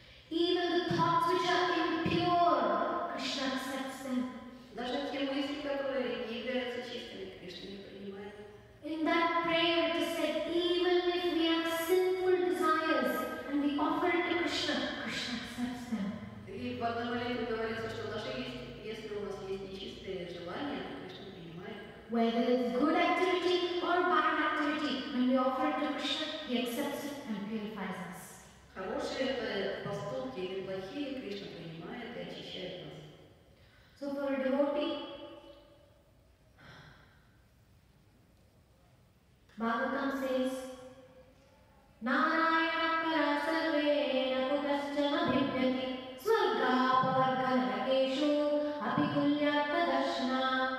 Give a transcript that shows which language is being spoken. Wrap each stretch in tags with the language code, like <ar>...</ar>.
<en>Even the thoughts which are impure, Krishna accepts them.</en> <ru>Даже те мысли, которые не являются чистыми, Кришна не принимает.</ru> <en>In that prayer it is said, even if we have sinful desires and we offer it to Krishna, Krishna accepts them.</en> <ru>И в одной молитве говорится, что даже если у нас есть нечистые желания, Кришна принимает.</ru> <en>Whether it's good activity or bad activity, when we offer it to Krishna, he accepts it and purifies us.</en> <ru>Хорошие это поступки или плохие, Кришна принимает и очищает нас.</ru> <en>So for a devotee, Bhagavatam says,</en> <sa>Narayana Parasarve Nakutaschana Bhimyati Swarga Pavarga Nakeshu Apikulya Tadashna.</sa>